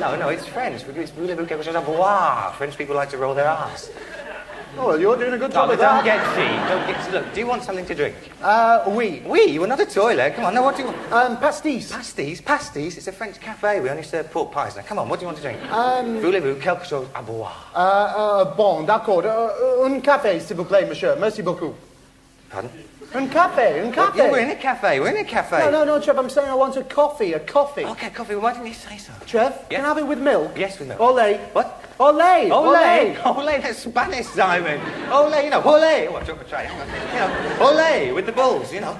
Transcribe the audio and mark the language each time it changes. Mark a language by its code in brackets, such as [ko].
[en] No, it's French. It's [fr] voulez-vous quelque chose à boire. [en] French people like to roll their ass. Oh, well, you're doing a good job of that. Don't get cheap. Look, do you want something to drink? [fr] Oui. [en] Oui? You want another toilet? Come on, now, what do you want? [fr] Pastis. [en] Pastis? Pastis? It's a French cafe. We only serve pork pies. Now, come on, what do you want to drink? [fr] Voulez-vous quelque chose à boire? Bon, d'accord. Un café, s'il vous plaît, monsieur. Merci beaucoup. Pardon? Un café. [en] Well, we're in a cafe. No, Trev, I'm saying I want a coffee. Okay, coffee. Well, why didn't you say so? Trev, yes? Can I have it with milk? Yes, with milk. [es] Olé. [en] What? [es] Olé. [en] Olé. Olé, that's Spanish, Simon. Olé, you know, olé. Oh, I'm trying to try. Olé, with the bulls, you know.